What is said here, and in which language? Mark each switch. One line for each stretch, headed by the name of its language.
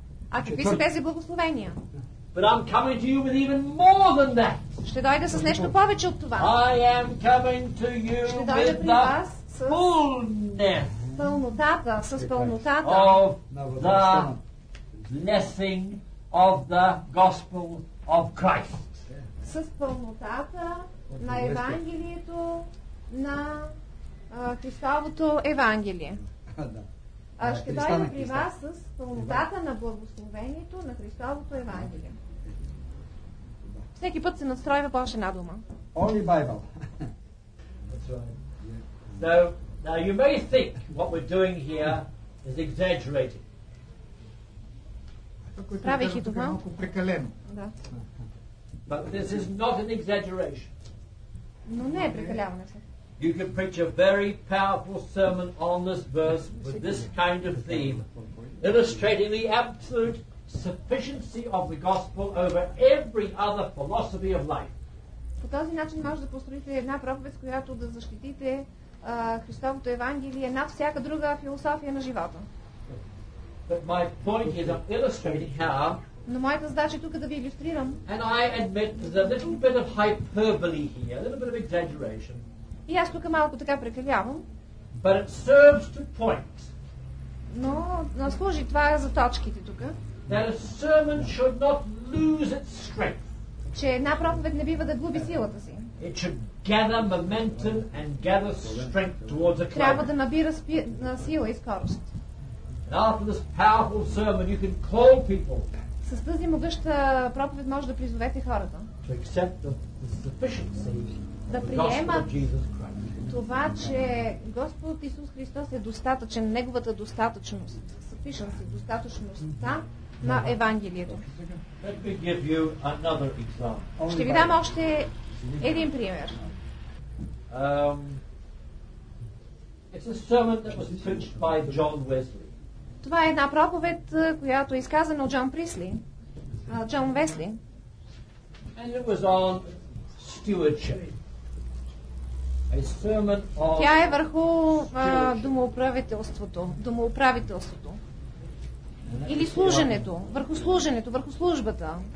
Bulgarian: А какви са тези благословения?
English: But I'm coming to you with even more than that.
Bulgarian: Ще дойда с нещо повече от това.
English: I am coming to you
Bulgarian: ще дойда при вас с пълнотата, с пълнотата
English: of the blessing of the gospel of Christ.
Bulgarian: С пълнотата на Евангелието на Христовото Евангелие. Ще дойда при вас с пълнотата на благословението на Христовото Евангелие. Всеки път се настройва повече една дума.
English: Only Bible. That's right. Yeah. So, now you may think what we're doing here is exaggerated.
Bulgarian: Правих и това. Прекалено.
English: But this is not an exaggeration.
Bulgarian: Но не е прекаляване.
English: You can preach a very powerful sermon on this verse with this kind of theme, illustrating the absolute sufficiency of the gospel over every other philosophy of life.
Bulgarian: По този начин може да построите една проповед, която да защитите Христовото Евангелие над всяка друга философия на живота.
English: But my point is of illustrating how.
Bulgarian: Но моята задача е тук да ви иллюстрирам.
English: And I admit there's a little bit of hyperbole here, a little bit of exaggeration.
Bulgarian: И аз тук малко така прекалявам.
English: But it serves to point.
Bulgarian: Но служи това за точките тук.
English: That a sermon should not lose its strength.
Bulgarian: че една проповед не бива да глуби силата си.
English: It should gather momentum and gather strength towards a climax.
Bulgarian: Трябва да набира сила и скорост.
English: And after this powerful sermon, you can call people.
Bulgarian: С тази могъща проповед може да призовете хората.
English: To accept the sufficiency of the gospel of Jesus Christ.
Bulgarian: Да приемат това, че Господ Исус Христос е достатъчен, неговата достатъчност, sufficiency, достатъчността на Евангелието.
English: Let me give you another example.
Bulgarian: Ще ви дам още един пример.
English: It's a sermon that was preached by John Wesley.
Bulgarian: Това е една проповед, която е изказана от Джон Присли, Джон Весли.
English: And it was on stewardship. A sermon on.
Bulgarian: Тя е върху домоуправителството, домоуправителството. Или служенето, върху служенето, върху службата.